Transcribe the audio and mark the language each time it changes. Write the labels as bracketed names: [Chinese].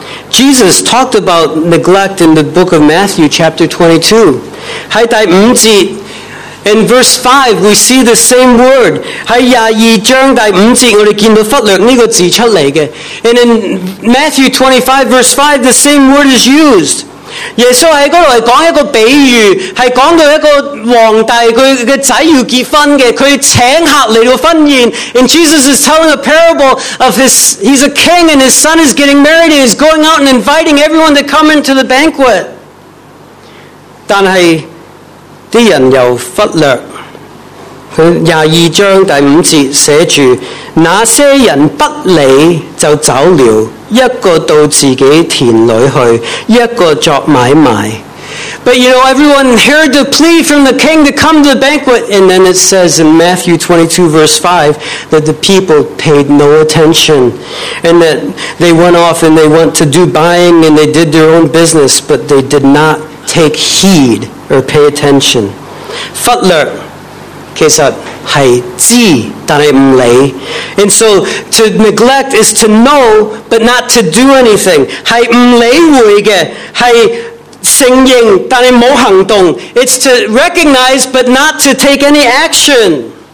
[English] Jesus talked about neglect in the book of Matthew chapter 22. [Chinese] 在第五節, [English] in verse 5, we see the same word. [Chinese] 在22章第五節,我們看到忽略這個字出來的. [English] And in Matthew 25, verse 5, the same word is used. [Chinese] 耶穌在那裡講一個比喻,是講到一個皇帝,他的兒子要結婚的,他請客來到婚宴. [English] And Jesus is telling a parable of he's a king and his son is getting married and he's going out and inviting everyone to come into the banquet. [Chinese] 但是, 人又忽略,22章第五節寫著,那些人不理就走了,一個到自己田裡去,一個作買賣. [English] But you know, everyone heard the plea from the king to come to the banquet, and then it says in Matthew 22 verse 5 that the people paid no attention, and that they went off and they went to do buying and they did their own business, but they did not take heed or pay attention. [Chinese] 忽略其實是知但是不理. [English] And so to neglect is to know but not to do anything. [Chinese] 是不理會的,是承認但是沒有行動. [English] It's to recognize but not to take any action.